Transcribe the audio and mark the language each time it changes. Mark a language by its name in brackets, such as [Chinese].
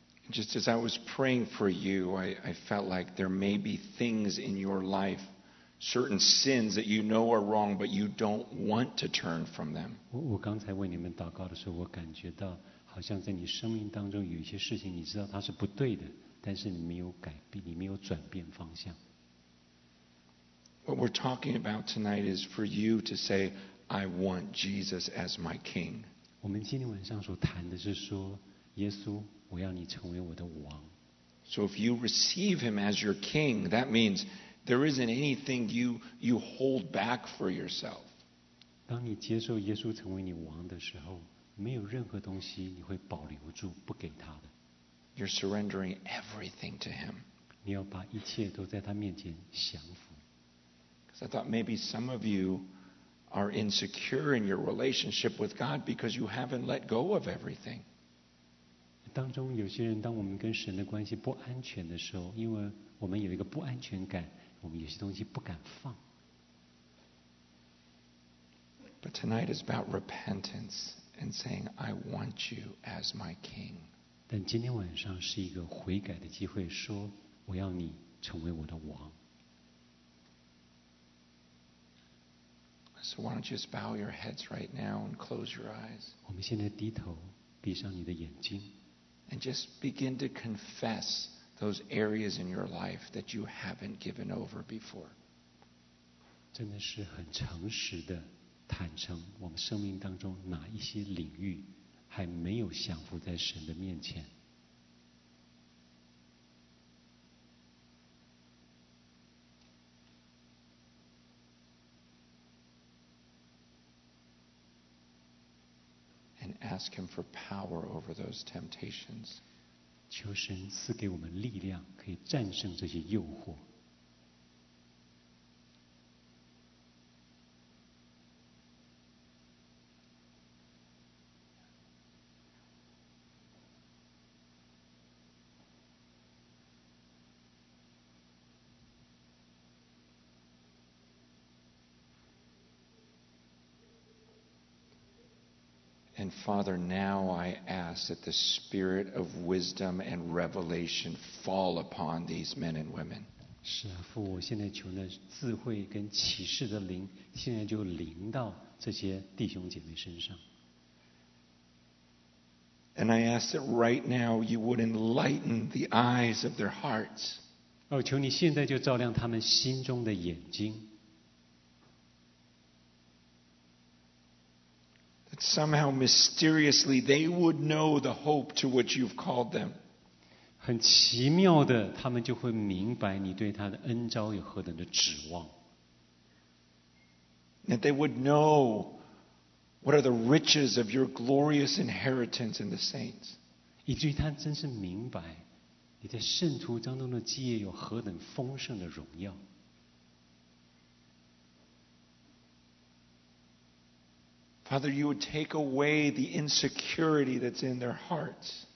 [English] Just as I was praying for you, I felt like there may be things in your life, certain sins that you know are wrong, but you don't want to turn from them. [Chinese] 我刚才为你们祷告的时候，我感觉到好像在你生命当中有一些事情，你知道它是不对的，但是你没有改变，你没有转变方向。 [English] What we're talking about tonight is for you to say, I want Jesus as my King. [Chinese] 我们今天晚上所谈的是说，耶稣，我要你成为我的王。 [English] So if you receive him as your King, that means there isn't anything you hold back for yourself. [Chinese] 当你接受耶稣成为你王的时候，没有任何东西你会保留住不给他的。 [English] You're surrendering everything to him. [Chinese] 你要把一切都在他面前降服。 [English] So I thought maybe some of you are insecure in your relationship with God because you haven't let go of everything. [Chinese] 当中有些人，当我们跟神的关系不安全的时候，因为我们有一个不安全感，我们有些东西不敢放。 [English] But tonight is about repentance and saying, I want you as my King. [Chinese] 但今天晚上是一个悔改的机会，说我要你成为我的王。 [English] So why don't you just bow your heads right now and close your eyes? [Chinese] 我们现在低头，闭上你的眼睛。 [English] And just begin to confess those areas in your life that you haven't given over before. [Chinese] 真的是很诚实的坦诚，我们生命当中哪一些领域还没有降服在神的面前。 [English] Ask him for power over those temptations. [Chinese] 求神赐给我们力量，可以战胜这些诱惑。 [English] And Father, now I ask that the spirit of wisdom and revelation fall upon these men and women. [Chinese] 是啊，父，我现在求那智慧跟启示的灵，现在就临到这些弟兄姐妹身上。 [English] And I ask that right now you would enlighten the eyes of their hearts. [Chinese] 哦，求你现在就照亮他们心中的眼睛。 [English] Somehow mysteriously they would know the hope to which you've called them. [Chinese] 很奇妙的，他们就会明白你对他的恩召有何等的指望。 [English] That they would know what are the riches of your glorious inheritance in the saints. [Chinese] 以至于他真是明白你在圣徒当中的基业有何等丰盛的荣耀。 [English] Father, you would take away the insecurity that's in their hearts.